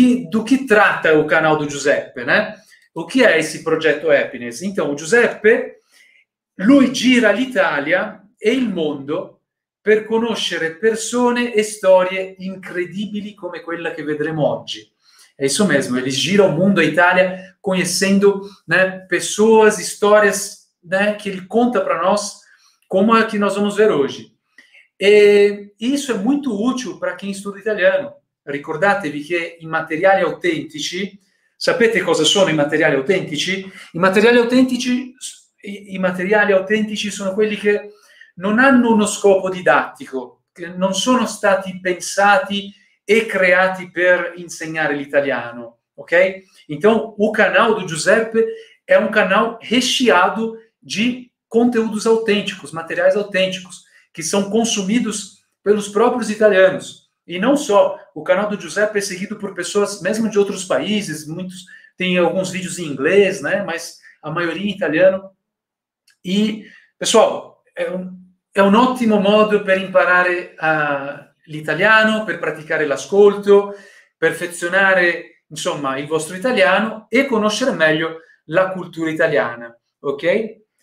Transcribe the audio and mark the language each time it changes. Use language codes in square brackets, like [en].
[pt] Do que trata o canal do Giuseppe, né? O que é esse projeto Happiness? Então, o Giuseppe, [it] lui gira l'Italia e il mondo per conoscere persone e storie incredibili come quella che vedremo oggi. [pt] È isso mesmo, ele gira o mundo, a Itália, conhecendo, né, pessoas, histórias, né, que ele conta para nós como é que nós vamos ver hoje. E isso é muito útil para quem estuda italiano. [it] Ricordatevi che i materiali autentici, sapete cosa sono i materiali autentici? I materiali autentici sono quelli che non hanno uno scopo didattico, che non sono stati pensati e creati per insegnare l'italiano, ok? [pt] Então, o canal do Giuseppe è un canal recheado de conteúdos autênticos, materiais autênticos, que são consumidos pelos próprios italianos. E não só, o canal do Giuseppe é seguido por pessoas mesmo de outros países, muitos têm alguns vídeos em inglês, né? Mas a maioria em italiano. E, pessoal, é um ótimo modo [it] per imparare l'italiano, per praticare l'ascolto, perfezionare, insomma, il vostro italiano e conoscere meglio la cultura italiana, ok?